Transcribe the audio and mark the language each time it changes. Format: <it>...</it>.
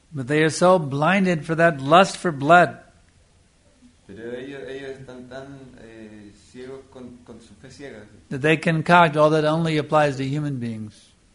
<en>But they are so blinded for that lust for blood.</en> <es>Pero ellos están tan ciegos con su fe ciega.</es> <en>That they concoct all that only applies to human beings.</en>